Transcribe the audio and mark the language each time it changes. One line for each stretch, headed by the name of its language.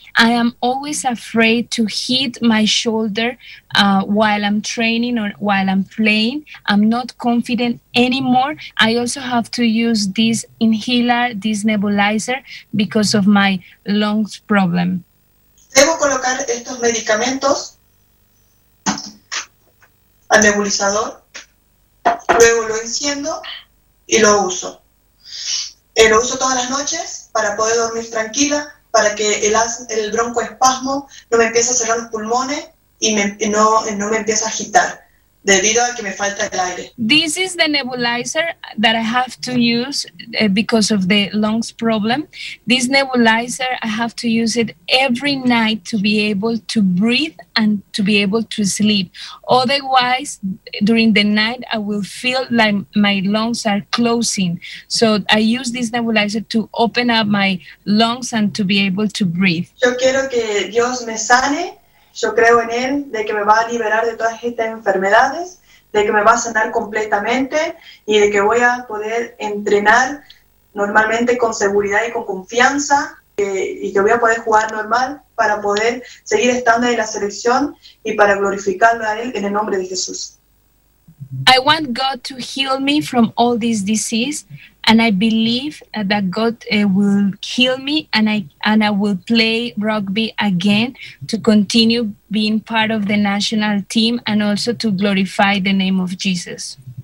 English: I am always afraid to hit my shoulder while I'm training or while I'm playing. I'm not confident anymore. I also have to use this inhaler, this nebulizer, because of my lungs problem.
Spanish: Debo colocar estos medicamentos al nebulizador, luego lo enciendo y lo uso. Lo uso todas las noches para poder dormir tranquila, para que el broncoespasmo no me empiece a cerrar los pulmones y no me empiece a agitar debido a que me falta el aire.
English: This is the nebulizer that I have to use because of the lungs problem. This nebulizer, I have to use it every night to be able to breathe and to be able to sleep. Otherwise, during the night, I will feel like my lungs are closing. So I use this nebulizer to open up my lungs and to be able to breathe.
Spanish: Yo quiero que Dios me sane. Yo creo en Él, de que me va a liberar de todas estas enfermedades, de que me va a sanar completamente y de que voy a poder entrenar normalmente con seguridad y con confianza y que voy a poder jugar normal para poder seguir estando en la selección y para glorificarlo a Él en el nombre de Jesús.
English: I want God to heal me from all these diseases, and I believe that God will heal me, and I will play rugby again to continue being part of the national team and also to glorify the name of Jesus.